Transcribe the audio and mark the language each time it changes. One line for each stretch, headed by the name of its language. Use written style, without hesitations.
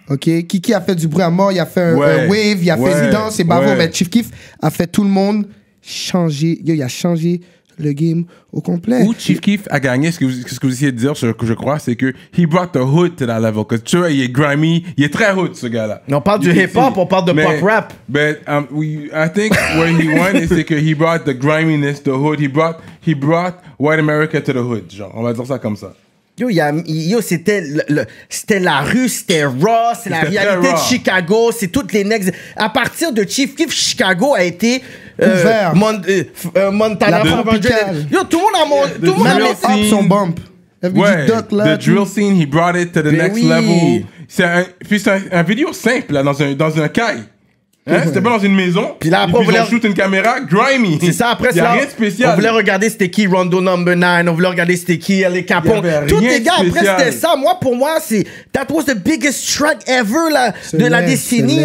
French: Ok, Kiki a fait du bruit à mort. Il a fait un wave. Il a fait une danse. C'est bavard. Mais Chief Keef a fait tout le monde changer. Yo, il a changé le game au complet. Où Chief Keef a gagné, ce que vous essayez de dire, ce que je crois, c'est que
English: he brought the hood to that level.
French: Because tu vois, il est grimy, il est très hood, ce gars-là. Mais on parle du hip-hop, on parle de pop rap.
English: But I think where he won is
French: c'est que
English: he brought the griminess, the hood. He brought white America to the hood, genre.
French: On va dire ça comme ça. Yo, c'était c'était la rue, c'était raw, c'est la réalité de Chicago, c'est toutes les next. À partir de Chief Keef, Chicago a été Montana, yo, tout le monde a son bump. Duck, là,
English: the drill scene, he brought it to the next level.
French: C'est un vidéo simple là, dans un caille. Hein, c'était pas dans une maison. Puis là, après, on shoot une caméra, grimy. C'est ça, après, y a rien de spécial. On voulait regarder c'était qui Rondo Number 9. On voulait regarder c'était qui les Capone. Tous les gars, après, c'était ça. Moi, pour moi, c'est.
English: That was the biggest track ever
French: là, de la décennie.